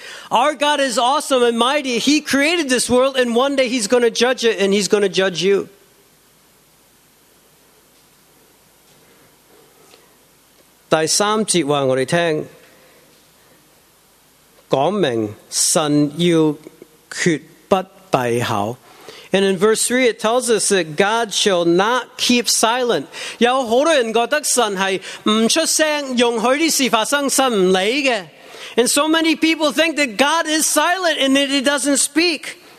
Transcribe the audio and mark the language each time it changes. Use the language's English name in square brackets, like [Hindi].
[English] Our God is awesome and mighty. He created this world, and one day he's going to judge it, and he's going to judge you. [Chinese] 第三节话我们听，讲明神要绝不闭口。 [English] And in verse 3, it tells us that God shall not keep silent. [Chinese] 有好多人觉得神是不出声，容许事发生，神不理的。 [English] And so many people think that God is silent and that he doesn't speak.